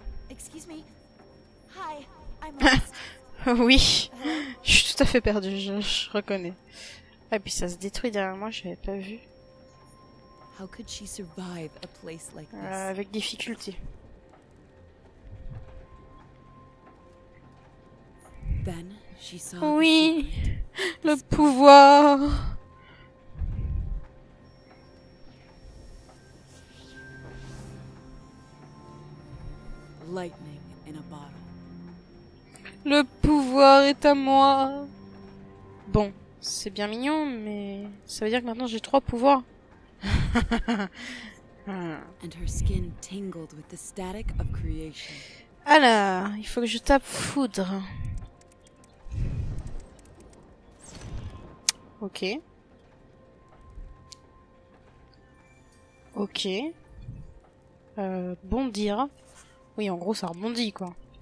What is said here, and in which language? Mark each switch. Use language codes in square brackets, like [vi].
[en] Excuse me. Hi, I'm [fr] Oui, je suis tout à fait perdue, je reconnais. Et puis ça se détruit derrière moi, je n'avais pas vu. [en] How could she survive a place like this? [fr] Avec difficulté. [en] Then she saw [fr] oui, le pouvoir. [en] Lightning in a bottle. [fr] Le pouvoir est à moi. Bon, c'est bien mignon, mais ça veut dire que maintenant j'ai 3 pouvoirs. [en] And her skin tingled with the static of creation. [fr] Alors, il faut que je tape foudre. Ok. Ok. Bondir. Oui, en gros, ça rebondit, quoi.